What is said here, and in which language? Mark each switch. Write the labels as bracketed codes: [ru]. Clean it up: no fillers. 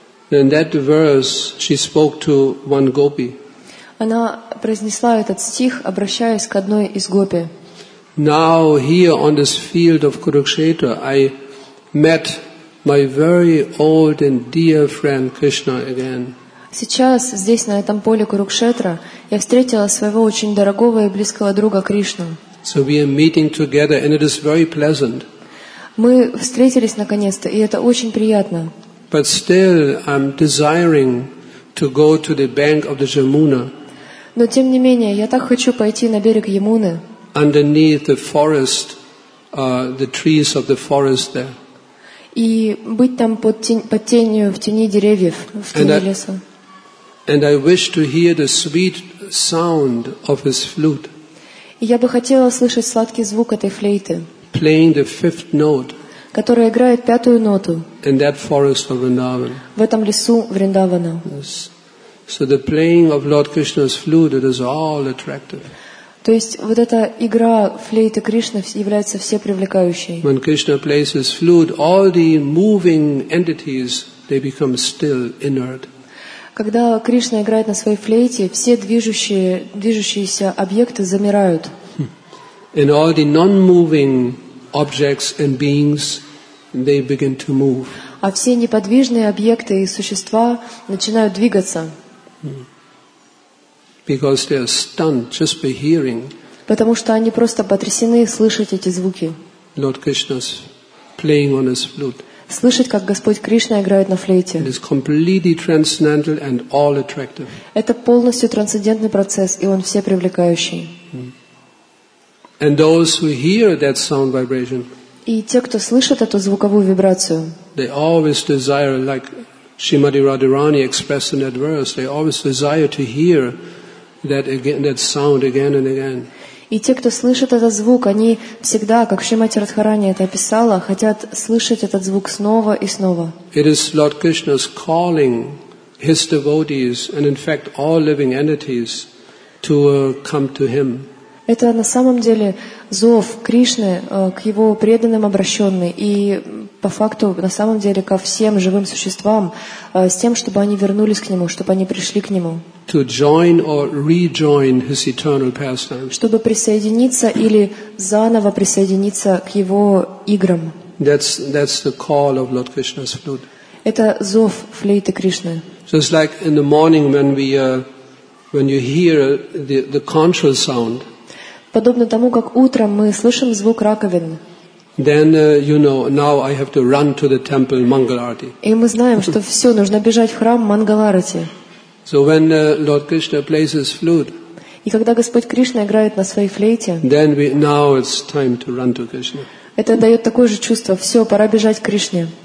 [en] In that verse she spoke to one gopi. [ru] Она произнесла этот стих, обращаясь к одной из гопи. [en] Now here on this field of Kurukshetra I met my very old and dear friend Krishna again. [ru] Сейчас, здесь, на этом поле Курукшетра, я встретила своего очень дорогого и близкого друга Кришну. [en] So we are meeting together and it is very pleasant. [ru] Мы встретились наконец-то, и это очень приятно. [en] But still, I'm desiring to go to the bank of the Jamuna. [ru] Но тем не менее, я так хочу пойти на берег Ямуны. [en] Underneath the forest, the trees of the forest there. [ru] И быть там под тенью, в тени деревьев, в тени леса. [en] And I wish to hear the sweet sound of his flute. [ru] И я бы хотела слышать сладкий звук этой флейты. [en] Playing the fifth note, [ru] которая играет пятую ноту, [en] in that forest of Vrindavan, [ru] в этом лесу Вриндавана. [en] Yes. So the playing of Lord Krishna's flute, it is all attractive. [ru] То есть вот эта игра флейты Кришны является всепривлекающей. [en] When Krishna plays his flute, all the moving entities they become still, inert. [ru] Когда Кришна играет на своей флейте, все движущиеся объекты замирают. [en] And all the non-moving objects and beings, they begin to move. [ru] А все неподвижные объекты и существа начинают двигаться. [en] Because they are stunned just by hearing. [ru] Потому что они просто потрясены слышать эти звуки. [en] Lord Krishna's playing on his flute. [ru] Слышать, как Господь Кришна играет на флейте. [en] It is completely transcendental and all attractive. [ru] Это полностью трансцендентный процесс, и он все привлекающий. [en] And those who hear that sound vibration. [ru] И те, кто слышит эту звуковую вибрацию. [en] They always desire, like Srimati Radharani expressed in that verse, they always desire to hear that again, that sound again and again. [ru] И те, кто слышит этот звук, они всегда, как Шримати Радхарани это описала, хотят слышать этот звук снова и снова. [en] It is Lord Krishna's calling his devotees and in fact all living entities to come to him. [ru] Это на самом деле зов Кришны к его преданным обращенным и по факту на самом деле ко всем живым существам с тем, чтобы они вернулись к нему, чтобы они пришли к нему. [en] To join or rejoin his eternal pastime. [ru] Чтобы присоединиться или заново присоединиться к его играм. [en] That's the call of Lord Krishna's flute. [ru] Это зов флейты Кришны. [en] Just like in the morning when we when you hear the conchal sound. [ru] Подобно тому, как утром мы слышим звук раковин. [en] Then you know now I have to run to the temple Mangal Arati. [ru] И мы знаем, что все нужно бежать в храм Мангал Арати. [en] So when Lord Krishna plays his flute. [ru] И когда Господь Кришна играет на своей флейте. [en] Then we now it's time to run to Krishna. [ru] Это дает такое же чувство. Все, пора бежать к Кришне.